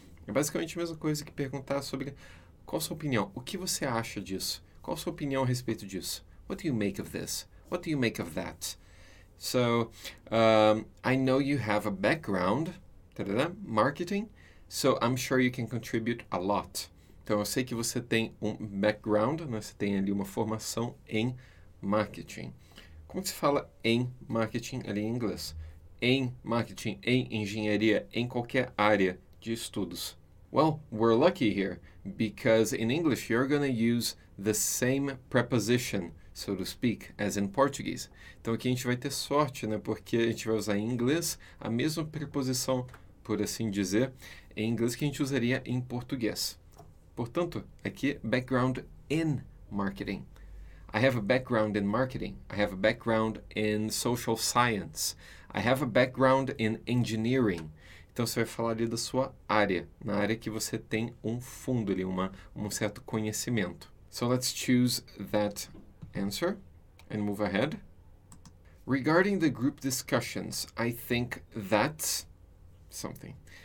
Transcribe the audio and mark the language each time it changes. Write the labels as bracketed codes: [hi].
[pt] É basicamente a mesma coisa que perguntar sobre qual a sua opinião, o que você acha disso, qual a sua opinião a respeito disso. [en] What do you make of this? What do you make of that? I know you have a background, marketing, so I'm sure you can contribute a lot. [pt] Então, eu sei que você tem um background, né? Você tem ali uma formação em marketing. Como que se fala em marketing ali em inglês? Em marketing, em engenharia, em qualquer área de estudos. [en] Well, we're lucky here, because in English you're going to use the same preposition, so to speak, as in Portuguese. [pt] Então aqui a gente vai ter sorte, né? Porque a gente vai usar em inglês a mesma preposição, por assim dizer, em inglês que a gente usaria em português. Portanto, aqui, background in marketing. [en] I have a background in marketing. I have a background in social science. I have a background in engineering. [pt] Então, você vai falar ali da sua área, na área que você tem um fundo ali, um certo conhecimento. [en] So, let's choose that answer and move ahead. Regarding the group discussions, I think that's something.